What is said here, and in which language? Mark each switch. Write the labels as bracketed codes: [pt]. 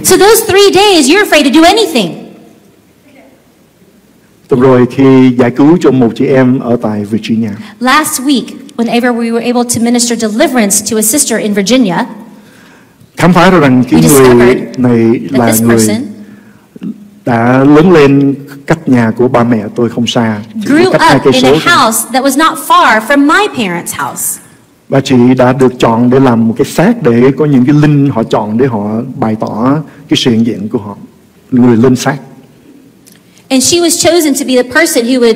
[en] So those three days, you're afraid to do anything. [vi] Tuần rồi khi giải cứu cho một chị em ở tại Virginia. [en] Last week, whenever we were able to minister deliverance to a sister in Virginia, [vi] khám phá ra rằng cái người này là người đã lớn lên cách nhà của ba mẹ tôi không xa. [en] Grew up in a house that was not far from my parents' house. [vi] Và chị đã được chọn để làm một cái xác để có những cái linh họ chọn để họ bày tỏ cái sự hiện diện của họ, người linh xác. [en] And she was chosen to be the person who would.